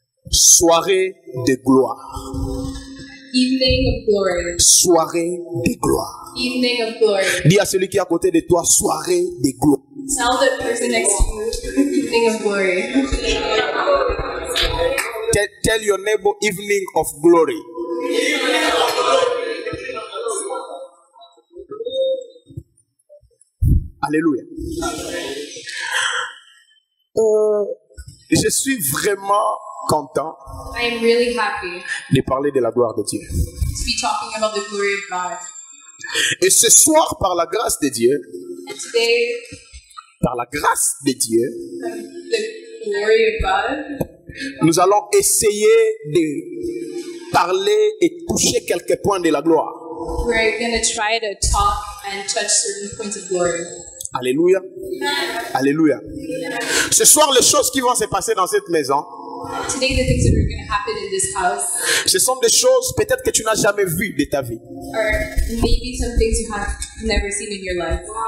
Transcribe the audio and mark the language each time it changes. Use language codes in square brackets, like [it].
[fr] Soirée de gloire. [en] Evening of glory. [fr] Soirée de gloire. [en] Evening of glory. [fr] Dis à celui qui est à côté de toi, soirée de gloire. [en] Tell the person next to you, evening of glory. Tell your neighbor, evening of glory. Evening of glory. [fr] Alléluia. Je suis vraiment content de parler de la gloire de Dieu. [en] To be talking about the glory of God. [fr] Et ce soir, par la grâce de Dieu, [en] today, [fr] par la grâce de Dieu, [en] the glory of God, [fr] nous allons essayer de parler et toucher quelques points de la gloire. [en] We're going to try to talk and touch certain points of glory. [fr] Alléluia. Alléluia. Ce soir, les choses qui vont se passer dans cette maison, [en] today, the things that are going to happen in this house, [fr] ce sont des choses peut-être que tu n'as jamais vues de ta vie. [en] Or maybe some things you have never seen in your life.